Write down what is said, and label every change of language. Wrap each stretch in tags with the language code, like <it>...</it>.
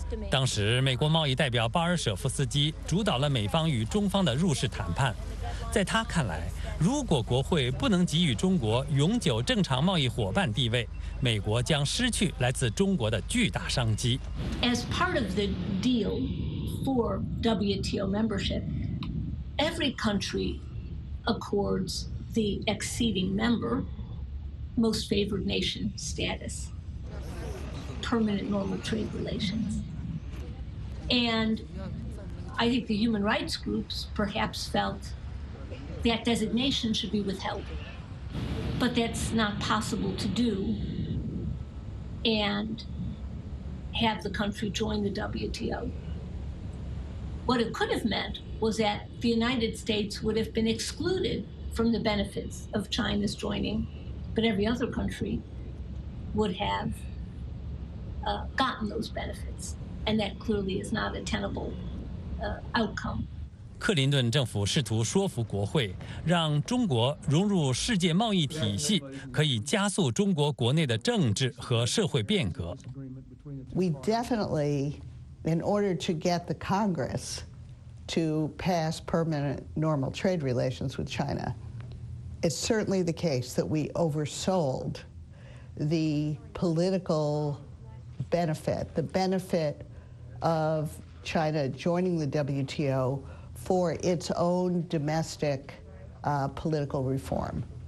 <zh>当时，美国贸易代表巴尔舍夫斯基主导了美方与中方的入世谈判。在他看来，如果国会不能给予中国永久正常贸易伙伴地位，美国将失去来自中国的巨大商机。</zh> <en>As part of the deal for WTO membership, every country accords the acceding member most favored nation status. Permanent normal trade relations. And I think the human rights groups perhaps felt that designation should be withheld. But that's not possible to do and have the country join the WTO. What it could have meant was that the United States would have been excluded from the benefits of China's joining, but every other country would have. Gotten those benefits, and that clearly is not a tenable outcome.</en> <zh>克林顿政府试图说服国会，让中国融入世界贸易体系，可以加速中国国内的政治和社会变革。</zh> <en>We definitely, in order to get the Congress to pass permanent normal trade relations with China, it's certainly the case that we oversold the political. Benefit, the benefit of China joining the WTO for its own domestic political reform.</en>